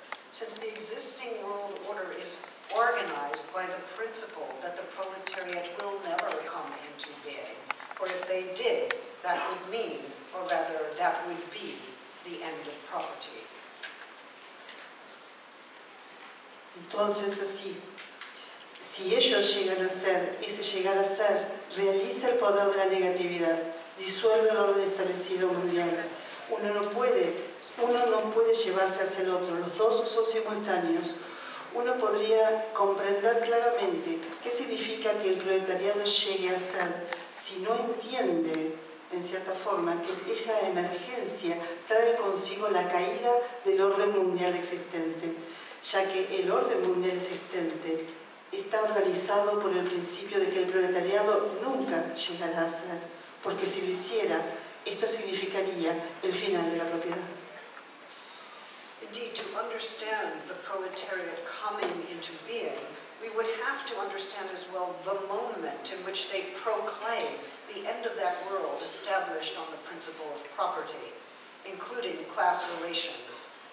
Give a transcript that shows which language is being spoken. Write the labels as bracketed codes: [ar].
[en] Since the existing world order is organized by the principle that the proletariat will never come into being, or if they did, that would mean, or rather, that would be the end of property. [es] Entonces, así, si ellos llegan a ser, ese llegar a ser realiza el poder de la negatividad, disuelve el orden establecido mundial. Uno no puede llevarse hacia el otro, los dos son simultáneos. Uno podría comprender claramente qué significa que el proletariado llegue a ser si no entiende, en cierta forma, que esa emergencia trae consigo la caída del orden mundial existente, ya que el orden mundial existente está organizado por el principio de que el proletariado nunca llegará a ser, porque si lo hiciera, esto significaría el final de la propiedad. [en] Indeed, to understand the proletariat coming into being, we would have to understand as well the moment in which they proclaim the end of that world established on the principle of property, including class relations.